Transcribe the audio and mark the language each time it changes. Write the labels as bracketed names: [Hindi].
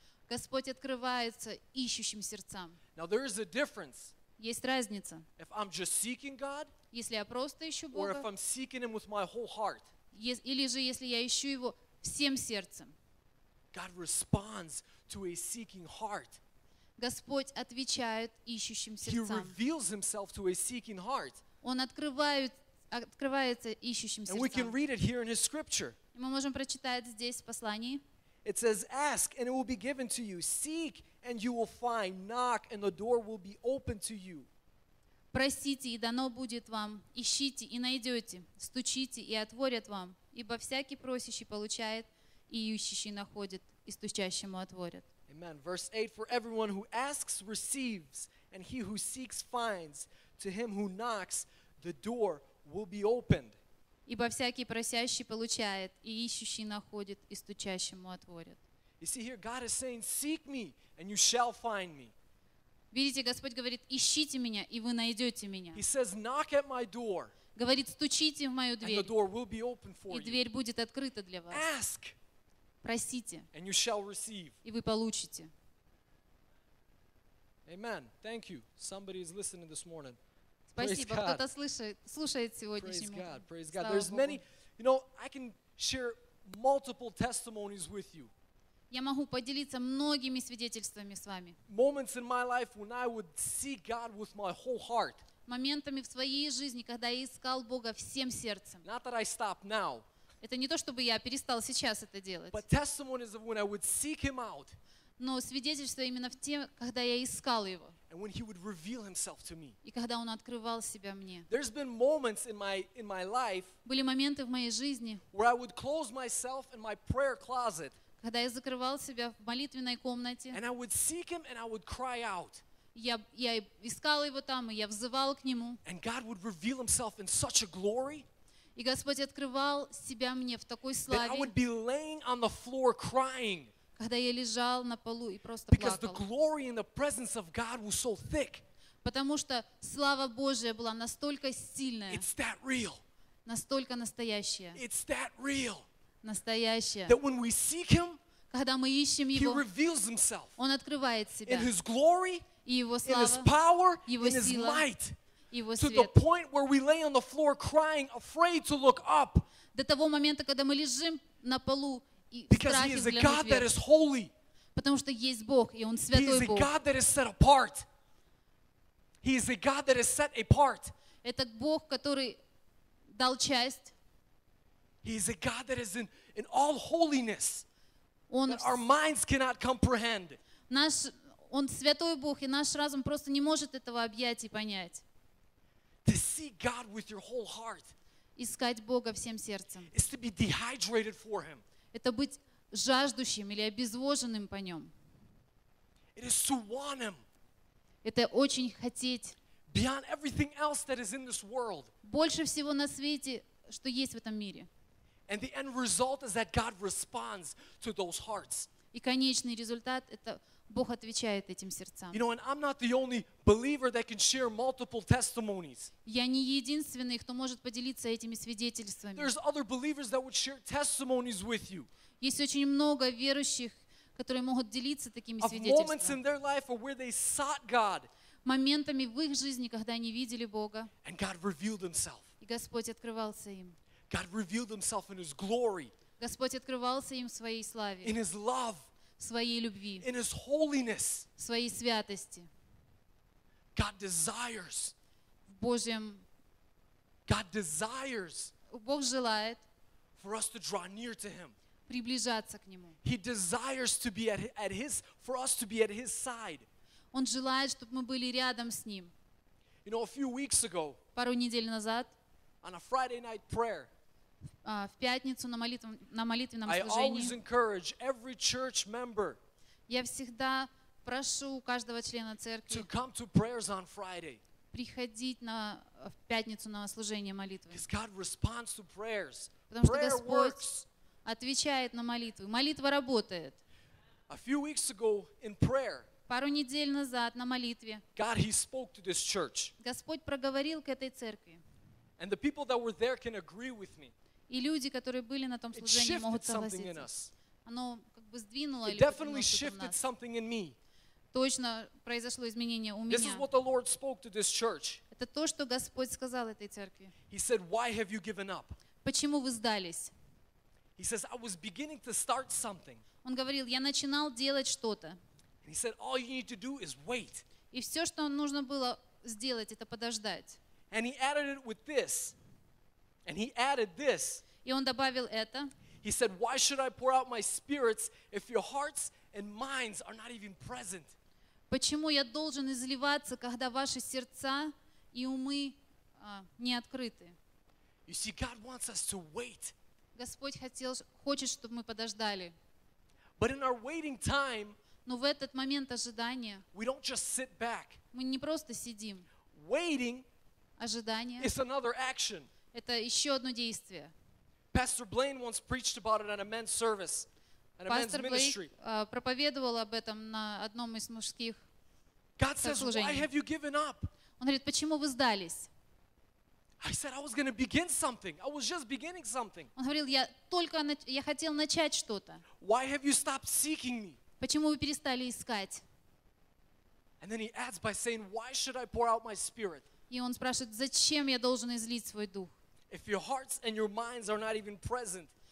[Russian] Господь открывается ищущим сердцам. [English] Now there is a difference. [Russian] Есть разница. [English] If I'm just seeking God, [Russian] если я просто ищу Бога, [English] or if I'm seeking Him with my whole heart, [Russian] или же если я ищу Его всем сердцем, [English] God responds to a seeking heart. [Russian] Господь отвечает ищущим сердцам. [English] He reveals Himself to a seeking heart. [Russian] Он открывается ищущим сердцам. [English] And we can read it here in His scripture. [Russian] Мы можем прочитать здесь в послании. [English] It says, ask and it will be given to you. Seek and you will find. Knock and the door will be opened to you. [Russian] Просите, и дано будет вам. Ищите, и найдете. Стучите, и отворят вам. Ибо всякий просящий получает, и ищущий находит, и стучащему отворят. [English] Amen. Verse 8, for everyone who asks receives, and he who seeks finds. To him who knocks, the door will be opened. [Russian] Ибо всякий просящий получает, и ищущий находит, и стучащему отворят. [English] You see here, God is saying, seek me, and you shall find me. [Russian] Видите, Господь говорит, ищите меня, и вы найдете меня. [English] He says, knock at my door. [Russian] Говорит, стучите в мою дверь. [English] And the door will be open for you. [Russian] И дверь будет открыта для вас. [English] Ask. [Russian] Просите. [English] And you shall receive. [Russian] И вы получите. [English] Amen. Thank you. Somebody is listening this morning. [Russian] Спасибо, кто-то слушает сегодняшний [English] Praise God, praise God. There's many, you know, I can share multiple testimonies with you. [Russian] Я могу поделиться многими свидетельствами с вами. [English] Moments in my life when I would seek God with my whole heart. [Russian] Моментами в своей жизни, когда я искал Бога всем сердцем. [English] Not that I stop now. [Russian] Это не то, чтобы я перестал сейчас это делать. [English] But testimonies of when I would seek Him out. [Russian] Но свидетельство именно в те, когда я искал Его. [English] And when He would reveal Himself to me. [Russian] И когда Он открывал Себя мне. [English] There's been moments in my life. [Russian] Были моменты в моей жизни. [English] Where I would close myself in my prayer closet. [Russian] Когда я закрывал себя в молитвенной комнате. [English] And I would seek Him and I would cry out. [Russian] Я искал Его там, и я взывал к Нему. [English] And God would reveal Himself in such a glory. [Russian] И Господь открывал Себя мне в такой славе. [English] That I would be laying on the floor crying. [Russian] Когда я лежал на полу и просто [English] Because [Russian] плакал. [English] The glory and the presence of God was so thick. [Russian] Потому что слава Божия была настолько сильная. [English] It's that real. [Russian] Настолько настоящая. [English] It's that real. [Russian] Настоящая. [English] That when we seek Him, [Russian] когда мы ищем Его, [English] He reveals Himself. [Russian] Он открывает Себя. [English] In His glory, [Russian] и Его слава, [English] in His power, [Russian] Его [English] in His [Russian] сила, [English] might. [Russian] Его свет. [English] To the point where we lay on the floor crying, afraid to look up. [Russian] До того момента, когда мы лежим на полу, [English] Because He is a God that is holy. [Russian] Потому что есть Бог, и Он святой Бог. [English] He is a God that is set apart. He is a God that is set apart. [Russian] Это Бог, который дал часть. [English] He is a God that is in all holiness. [Russian] Он [English] that our minds cannot comprehend. [Russian] Наш Он святой Бог, и наш разум просто не может этого объять и понять. [English] To see God with your whole heart. [Russian] Искать Бога всем сердцем. [English] Is to be dehydrated for Him. [Russian] Это быть жаждущим или обезвоженным по Нем. [English] It is to want Him. [Russian] Это очень хотеть. [English] Beyond everything else that is in this world. [Russian] Больше всего на свете, что есть в этом мире. [English] And the end result is that God responds to those hearts. [Russian] И конечный результат — это Бог отвечает этим сердцам. [English] You know, and I'm not the only believer that can share multiple testimonies. [Russian] Я не единственный, кто может поделиться этими свидетельствами. [English] There's other believers that would share testimonies with you. [Russian] Есть очень много верующих, которые могут делиться такими свидетельствами. [English] Of moments in their life or where they sought God. [Russian] Моментами в их жизни, когда они видели Бога. [English] And God revealed Himself. [Russian] И Господь открывался им. [English] God revealed Himself in His glory. [Russian] Господь открывался им в своей славе. [English] In His love. [Russian] В своей любви. [English] In His holiness. [Russian] В своей святости. [English] God desires. [Russian] В Божьем. [English] God desires. [Russian] Бог желает. [English] For us to draw near to Him. [Russian] Приближаться к Нему. [English] He desires to be at His, for us to be at His side. [Russian] Он желает, чтобы мы были рядом с Ним. [English] You know, a few weeks ago. [Russian] Пару недель назад. [English] On a Friday night prayer. [Russian] В пятницу на молитвенном служении. [English] I always encourage every church member. [Russian] Я всегда прошу каждого члена церкви. [English] To come to prayers on Friday. [Russian] Приходить на в пятницу на служение молитвы. [English] Because God responds to prayers. [Russian] Потому что Господь отвечает на молитвы. Молитва работает. [English] A few weeks ago in prayer. [Russian] Пару недель назад на молитве. [English] God, He spoke to this church. [Russian] Господь проговорил к этой церкви. [English] And the people that were there can agree with me. [Russian] И люди, которые были на том служении, могут согласиться. Оно как бы сдвинуло или [English] definitely shifted something in me. [Russian] Точно произошло изменение у меня. [English] This is what the Lord spoke to this church. [Russian] Это то, что Господь сказал этой церкви. [English] He said, "Why have you given up?" [Russian] Почему вы сдались? [English] He says, "I was beginning to start something." [Russian] Он говорил, я начинал делать что-то. [English] And he said, "All you need to do is wait." [Russian] И все, что нужно было сделать, это подождать. [English] And he added it with this. And he added this. [Russian] И он добавил это. [English] He said, "Why should I pour out my spirits if your hearts and minds are not even present?" [Russian] Почему я должен изливаться, когда ваши сердца и умы не открыты? [English] You see, God wants us to wait. [Russian] Господь хотел, хочет, чтобы мы подождали. [English] But in our waiting time, [Russian] но в этот момент ожидания, [English] we don't just sit back. [Russian] Мы не просто сидим. [English] Waiting. [Russian] Ожидание. [English] It's another action. [Russian] Это еще одно действие. [English] Pastor Blaine once preached about it at a men's service, at a men's ministry. [Russian] Проповедовал об этом на одном из мужских служений. [English] God says, "Why have you given up?" [Russian] Он говорит, почему вы сдались? [English] I said, "I was going to begin something. I was just beginning something." [Russian] Он говорил, я только я хотел начать что-то. [English] Why have you stopped seeking me? [Russian] Почему вы перестали искать? [English] And then he adds by saying, "Why should I pour out my spirit?" [Russian] И он спрашивает, зачем я должен излить свой дух? [English] If your hearts and your minds are not even present.